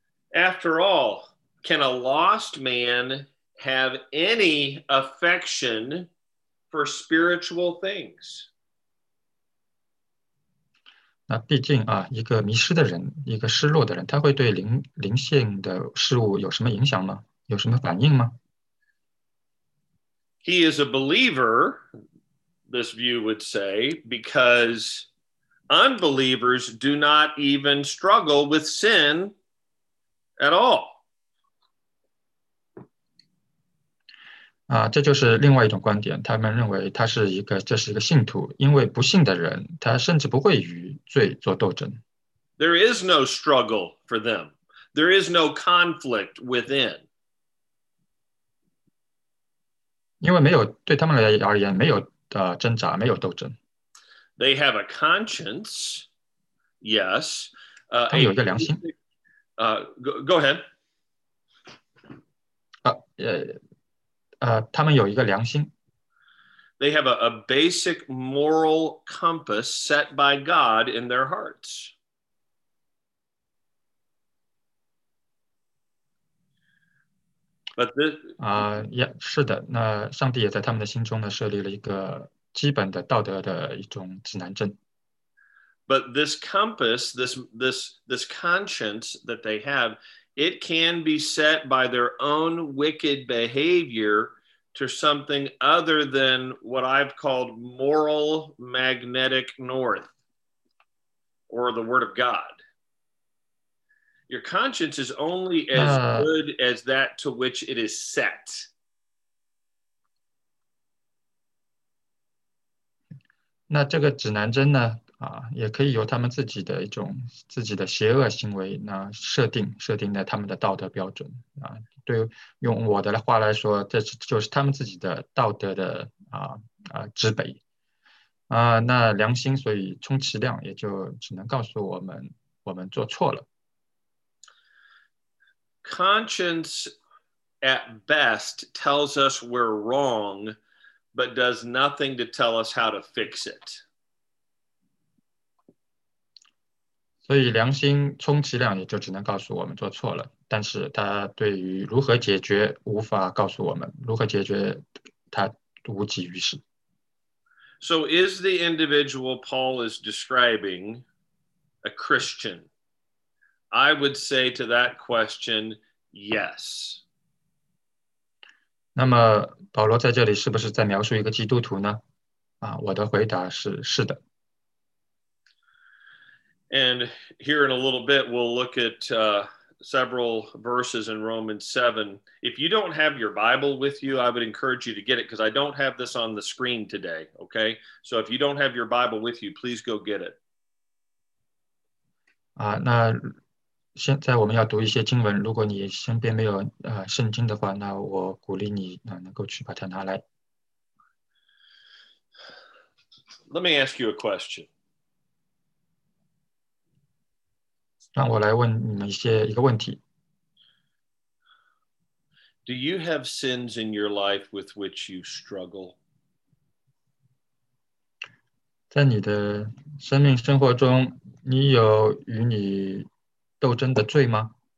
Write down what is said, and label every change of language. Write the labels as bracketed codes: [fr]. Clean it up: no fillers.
[en] After all, can a lost man have any affection for spiritual things? [zh] 那毕竟啊，一个迷失的人，一个失落的人，他会对灵性的事物有什么影响吗？有什么反应吗？ [en] He is a believer, this view would say, because unbelievers do not even struggle with sin at all. [zh] 这就是另外一种观点，他们认为这是一个信徒，因为不信的人，他甚至不会与罪做斗争。 [en] There is no struggle for them. There is no conflict within. [zh] 因为没有对他们而言没有挣扎，没有斗争。 [en] They have a conscience, yes. [zh] 他们有一个良心。 [en] Go ahead. [zh] 他们有一个良心。 [en] They have a basic moral compass set by God in their hearts. But this, [zh] 是的，那上帝也在他们的心中呢设立了一个基本的道德的一种指南针。 [en] But this compass, this conscience that they have, it can be set by their own wicked behavior to something other than what I've called moral magnetic north, or the word of God. Your conscience is only as good as that to which it is set. [zh] 那这个指南针呢？也可以由他们自己的一种自己的邪恶行为，那设定的他们的道德标准啊。对，用我的话来说，这就是他们自己的道德的指北啊。那良心，所以充其量也就只能告诉我们做错了。 [en] Conscience at best tells us we're wrong, but does nothing to tell us how to fix it. [zh] 所以良心充其量也就只能告诉我们做错了，但是它对于如何解决无法告诉我们，如何解决它无济于事。 [en] So is the individual Paul is describing a Christian? I would say to that question,Yes. [zh] 那么保罗在这里是不是在描述一个基督徒呢？我的回答是的。 [en] And here in a little bit, we'll look at several verses in Romans 7. If you don't have your Bible with you, I would encourage you to get it because I don't have this on the screen today, okay? So if you don't have your Bible with you, please go get it. [zh] 那现在我们要读一些经文，如果你身边没有圣经的话，那我鼓励你能够去把它拿来。 [en] Let me ask you a question. [zh] 让我来问你们一个问题。 [en] Do you have sins in your life with which you struggle? [zh] 在你的生命生活中，你有与你斗争的罪吗？